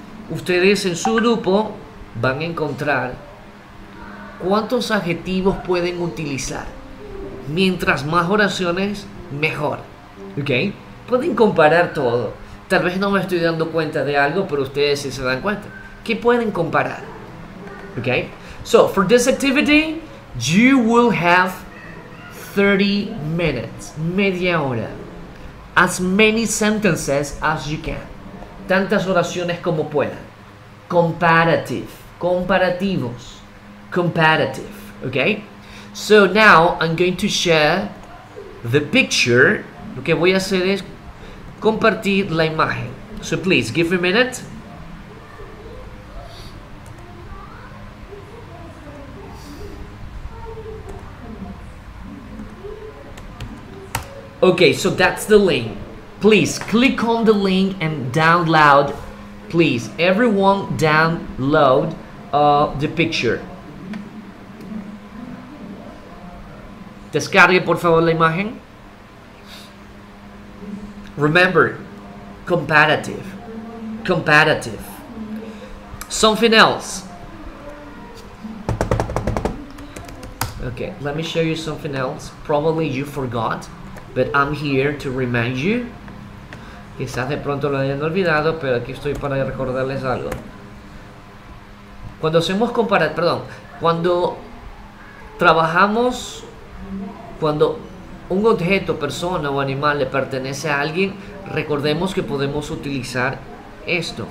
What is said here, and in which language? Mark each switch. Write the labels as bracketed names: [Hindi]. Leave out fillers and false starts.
[Spanish] Ustedes en su grupo van a encontrar cuántos adjetivos pueden utilizar. Mientras más oraciones, mejor. ¿Ok? Pueden comparar todo. Tal vez no me estoy dando cuenta de algo, pero ustedes sí se dan cuenta. ¿Qué pueden comparar? ¿Ok? [English] So, for this activity, you will have 30 minutes. [Spanish] Media hora. [English] As many sentences as you can. [Spanish] Tantas oraciones como puedan. Comparative. Comparativos. Comparative. Ok. [English] So now I'm going to share the picture. [Spanish] Lo que voy a hacer es compartir la imagen. [English] So please give me a minute. Ok. So that's the link. Please click on the link and download, please, everyone download the picture. [Spanish] Descargue por favor la imagen. [English] Remember, comparative, comparative. Something else. Okay, let me show you something else. Probably you forgot, but I'm here to remind you. [Spanish] Quizás de pronto lo hayan olvidado, pero aquí estoy para recordarles algo. Cuando hacemos comparar, perdón, cuando trabajamos, cuando un objeto, persona o animal le pertenece a alguien, recordemos que podemos utilizar esto.